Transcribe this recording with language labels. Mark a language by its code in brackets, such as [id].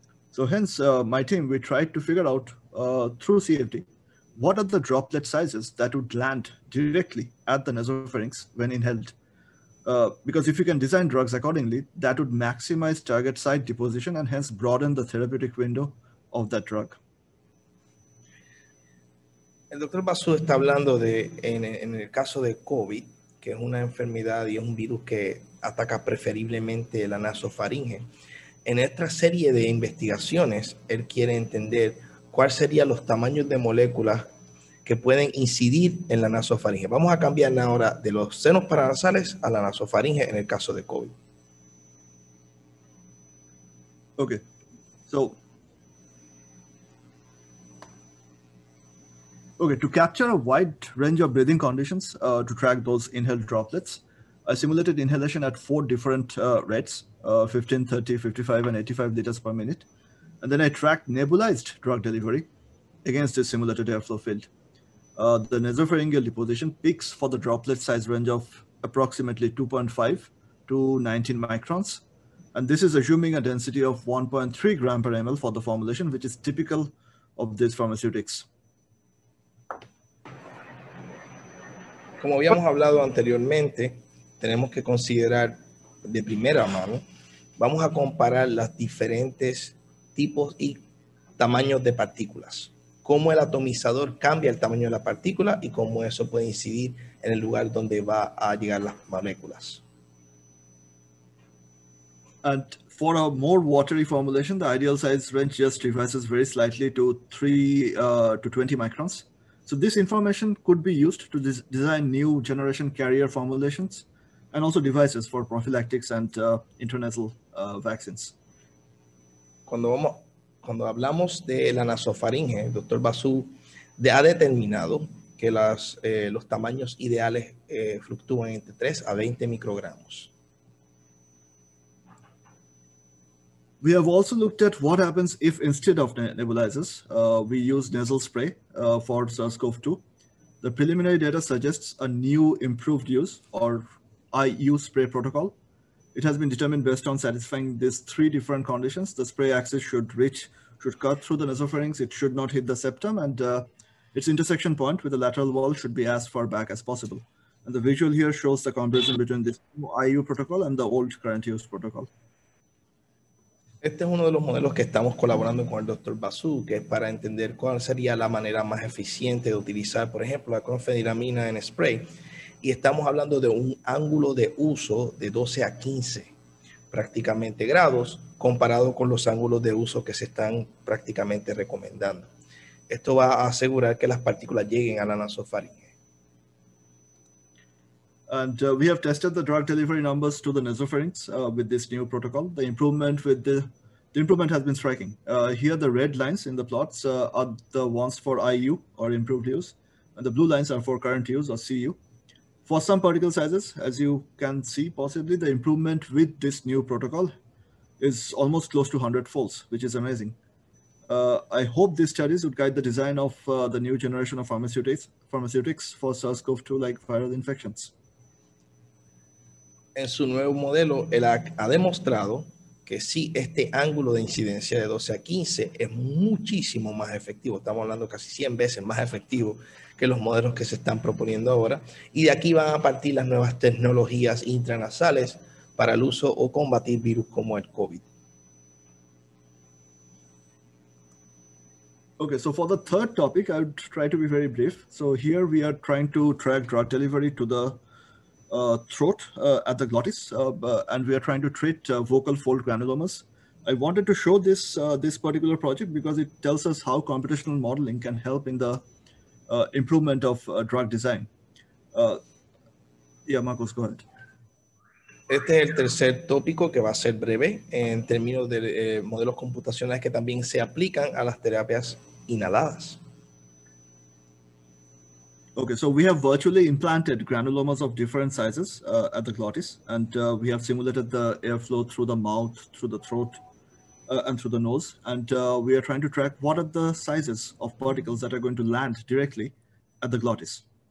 [en] So hence, my team, we tried to figure out through CFD, what are the droplet sizes that would land directly at the nasopharynx when inhaled? Because if you can design drugs accordingly, that would maximize target site deposition and hence broaden the therapeutic window of that drug. [es] El doctor Basu está hablando de, en el caso de COVID, que es una enfermedad y es un virus que ataca preferiblemente la nasofaringe. En esta serie de investigaciones, él quiere entender cuáles serían los tamaños de moléculas que pueden incidir en la nasofaringe. Vamos a cambiar ahora de los senos paranasales a la nasofaringe en el caso de COVID. [en] Okay. So, okay, to capture a wide range of breathing conditions to track those inhaled droplets, I simulated inhalation at four different rates, 15, 30, 55, and 85 liters per minute. And then I tracked nebulized drug delivery against a simulated airflow field. The nasopharyngeal deposition peaks for the droplet size range of approximately 2.5 to 19 microns. And this is assuming a density of 1.3 gram per ml for the formulation, which is typical of these pharmaceutics. [es] Como habíamos hablado anteriormente, tenemos que considerar de primera mano, vamos a comparar las diferentes tipos y tamaños de partículas. Cómo el atomizador cambia el tamaño de la partícula y cómo eso puede incidir en el lugar donde va a llegar las moléculas. [en] And for a more watery formulation, the ideal size range just reverses very slightly to 3 to 20 microns. So this information could be used to design new generation carrier formulations and also devices for prophylactics and intranasal vaccines. [es] Cuando hablamos de la nasofaringe, el doctor Basu ha determinado que los tamaños ideales fluctúan entre 3 a 20 microgramos. [en] We have also looked at what happens if instead of nebulizers, we use nasal spray for SARS-CoV-2. The preliminary data suggests a new improved use or IU spray protocol. It has been determined based on satisfying these three different conditions. The spray axis should cut through the nasopharynx. It should not hit the septum, and its intersection point with the lateral wall should be as far back as possible. And the visual here shows the comparison between this new IU protocol and the old current use protocol. [es] Este es uno de los modelos que estamos colaborando con el Dr. Basu, que es para entender cuál sería la manera más eficiente de utilizar, por ejemplo, la clorfeniramina en spray. Y estamos hablando de un ángulo de uso de 12 a 15 prácticamente grados comparado con los ángulos de uso que se están prácticamente recomendando. Esto va a asegurar que las partículas lleguen a la nasofaringe. [en] And we have tested the drug delivery numbers to the nasopharynx with this new protocol. The improvement has been striking. Here the red lines in the plots are the ones for IU or improved use, and the blue lines are for current use or CU. For some particle sizes, as you can see, possibly the improvement with this new protocol is almost close to 100 folds, which is amazing. I hope these studies would guide the design of the new generation of pharmaceutics for SARS-CoV-2 like viral infections. [es] En su nuevo modelo, él ha demostrado que sí, este ángulo de incidencia de 12 a 15 es muchísimo más efectivo. Estamos hablando casi 100 veces más efectivo que los modelos que se están proponiendo ahora. Y de aquí van a partir las nuevas tecnologías intranasales para el uso o combatir virus como el COVID. [en] Okay, so for the third topic, I would try to be very brief. So here we are trying to track drug delivery to the throat at the glottis, and we are trying to treat vocal fold granulomas. I wanted to show this this particular project because it tells us how computational modeling can help in the improvement of drug design. Yeah, Marcos, go ahead. [es] Este es el tercer tópico que va a ser breve en términos de modelos computacionales que también se aplican a las terapias inhaladas. [en] Okay, so we have virtually implanted granulomas of different sizes at the glottis, and we have simulated the airflow through the mouth, through the throat, and through the nose, and we are trying to track what are the sizes of particles that are going to land directly at the glottis.